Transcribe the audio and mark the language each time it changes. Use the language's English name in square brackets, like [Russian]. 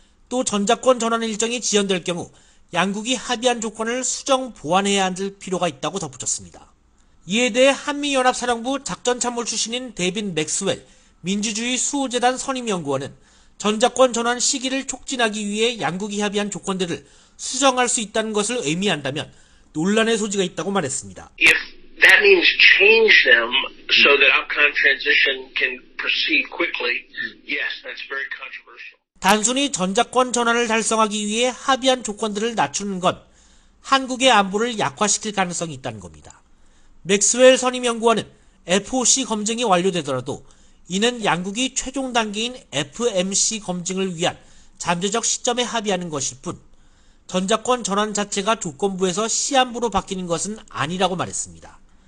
[Korean] 또 전작권 전환 일정이 지연될 경우 양국이 합의한 조건을 수정 보완해야 할 필요가 있다고 덧붙였습니다. 이에 대해 한미연합사령부 작전참모 출신인 데빈 맥스웰 민주주의 수호재단 선임연구원은 전작권 전환 시기를 촉진하기 위해 양국이 합의한 조건들을 수정할 수 있다는 것을 의미한다면 논란의 소지가 있다고 말했습니다. [English] If that means change them so that Afghan transition can proceed quickly, yes, that's very controversial. [Korean] 단순히 전작권 전환을 달성하기 위해 합의한 조건들을 낮추는 건 한국의 안보를 약화시킬 가능성이 있다는 겁니다. 맥스웰 선임연구원은 FOC 검증이 완료되더라도 이는 양국이 최종 단계인 FMC 검증을 위한 잠재적 시점에 합의하는 것일 뿐 전작권 전환 자체가 조건부에서 시한부로 바뀌는 것은 아니라고 말했습니다.